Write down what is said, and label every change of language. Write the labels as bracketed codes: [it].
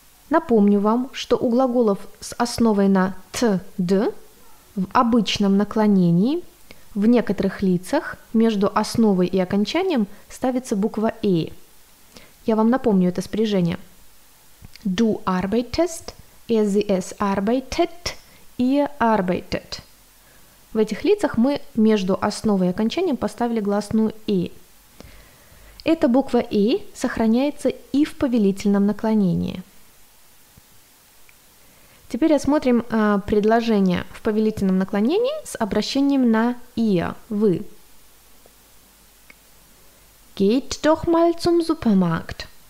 [ru] Напомню вам, что у глаголов с основой на t, d в обычном наклонении в некоторых лицах между основой и окончанием ставится буква e. Я вам напомню это спряжение. [de] Du arbeitest, es arbeitet, ihr arbeitet. [ru] В этих лицах мы между основой и окончанием поставили гласную e. Эта буква e сохраняется и в повелительном наклонении. Теперь осмотрим предложение в повелительном наклонении с обращением на ihr, вы. [de] Geht doch mal zum Supermarkt.